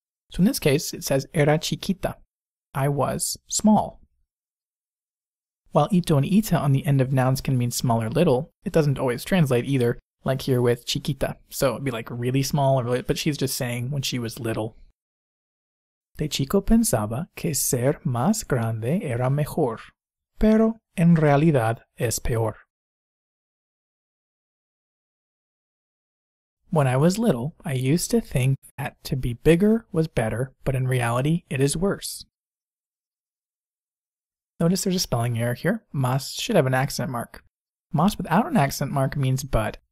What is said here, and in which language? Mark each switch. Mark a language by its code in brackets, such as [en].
[en] So in this case, it says [es] era chiquita. [en] I was small. While ito and ita on the end of nouns can mean small or little, it doesn't always translate either, like here with chiquita. So it'd be like really small, or really, but she's just saying when she was little. [es] De chico pensaba que ser más grande era mejor, pero en realidad es peor. [en] When I was little, I used to think that to be bigger was better, but in reality, it is worse. Notice there's a spelling error here. Más should have an accent mark. Más without an accent mark means but.